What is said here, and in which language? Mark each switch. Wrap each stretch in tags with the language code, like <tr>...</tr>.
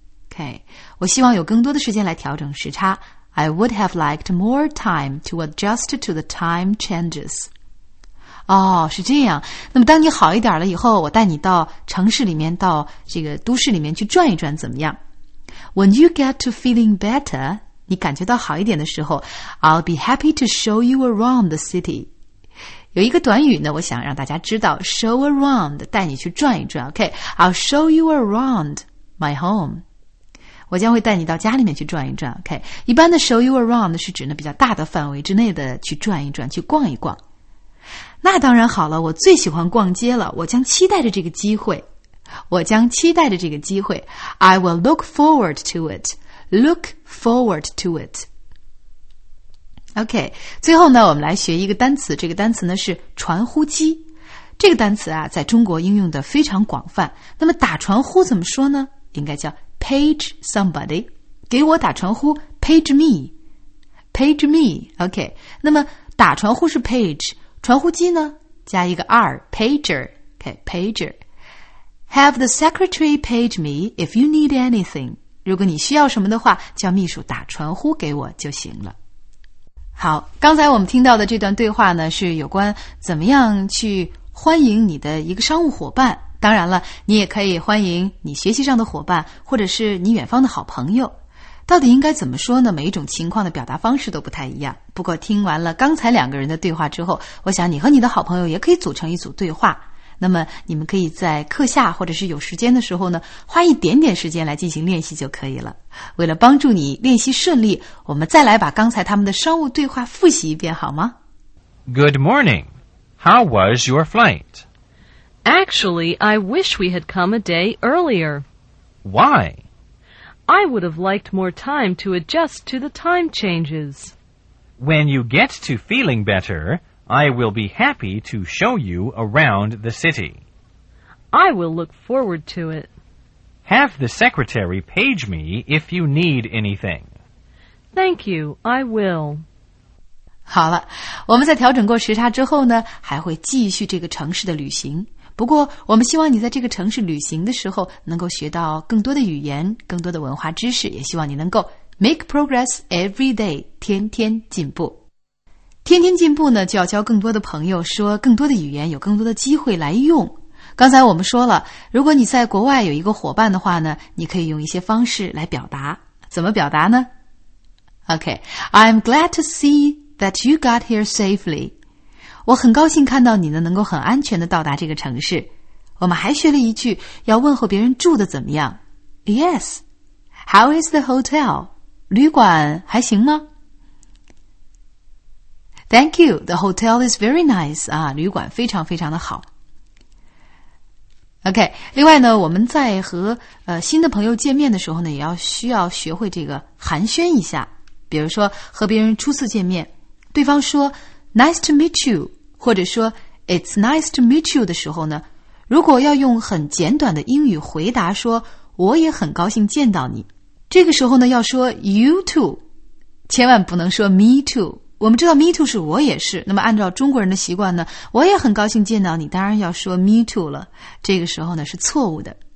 <zh>Okay, 我希望有更多的时间来调整时差。</zh> <en>I would have liked more time to adjust to the time changes.</en> <zh>哦，是这样。那么当你好一点了以后，我带你到城市里面，到这个都市里面去转一转怎么样？</zh> <en>When you get to feeling better,</en> <zh>你感觉到好一点的时候，</zh> <en>I'll be happy to show you around the city.</en> <zh>有一个短语呢，我想让大家知道，</zh> <en>show around,</en> <zh>带你去转一转， OK?</zh> <en>I'll show you around my home.</en> <zh>我将会带你到家里面去转一转， OK? 一般的</zh> <en>show you around</en> <zh>是指呢比较大的范围之内的去转一转，去逛一逛。那当然好了，我最喜欢逛街了，我将期待着这个机会。我将期待着这个机会。</zh> <en>I will look forward to it. Look forward to it.</en> <zh>OK, 最后呢，我们来学一个单词，这个单词呢是传呼机。这个单词啊，在中国应用的非常广泛。那么打传呼怎么说呢？应该叫</zh> <en>page somebody.</en> <zh>给我打传呼</zh> <en>page me. Page me.</en> <zh>OK, 那么打传呼是 page,传呼机呢加一个 R, pager, okay, pager.</zh> <en>Have the secretary page me if you need anything.</en> <zh>如果你需要什么的话，叫秘书打传呼给我就行了。好，刚才我们听到的这段对话呢，是有关怎么样去欢迎你的一个商务伙伴。当然了，你也可以欢迎你学习上的伙伴，或者是你远方的好朋友。到底应该怎么说呢？每一种情况的表达方式都不太一样。不过听完了刚才两个人的对话之后，我想你和你的好朋友也可以组成一组对话。那么你们可以在课下或者是有时间的时候呢，花一点点时间来进行练习就可以了。为了帮助你练习顺利，我们再来把刚才他们的商务对话复习一遍好吗？</zh> <en>Good morning. How was your flight? Actually, I wish we had come a day earlier. Why? I would have liked more time to adjust to the time changes. When you get to feeling better, I will be happy to show you around the city. I will look forward to it. Have the secretary page me if you need anything. Thank you, I will.</en> <zh>好了，我们在调整过时差之后呢，还会继续这个城市的旅行。不过我们希望你在这个城市旅行的时候能够学到更多的语言，更多的文化知识，也希望你能够</zh> <en>make progress every day,</en> <zh>天天进步。天天进步呢，就要交更多的朋友，说更多的语言，有更多的机会来用。刚才我们说了，如果你在国外有一个伙伴的话呢，你可以用一些方式来表达。怎么表达呢？</zh> <en>OK, I'm glad to see that you got here safely.</en> <zh>我很高兴看到你呢能够很安全地到达这个城市。我们还学了一句要问候别人住得怎么样。</zh> <en>Yes, how is the hotel?</en> <zh>旅馆还行吗？</zh> <en>Thank you, the hotel is very nice.</en> <zh>啊，旅馆非常非常的好。 OK, 另外呢，我们在和新的朋友见面的时候呢，也要需要学会这个寒暄一下。比如说和别人初次见面，对方说</zh> <en>Nice to meet you,</en> <zh>或者说</zh> <en>It's nice to meet you</en> <zh>的时候呢，如果要用很简短的英语回答说我也很高兴见到你，这个时候呢要说</zh> <en>You too,</en> <zh>千万不能说</zh> <en>Me too,</en> <zh>我们知道 Me too 是我也是，那么按照中国人的习惯呢，我也很高兴见到你，当然要说 Me too 了，这个时候呢是错误的。</zh>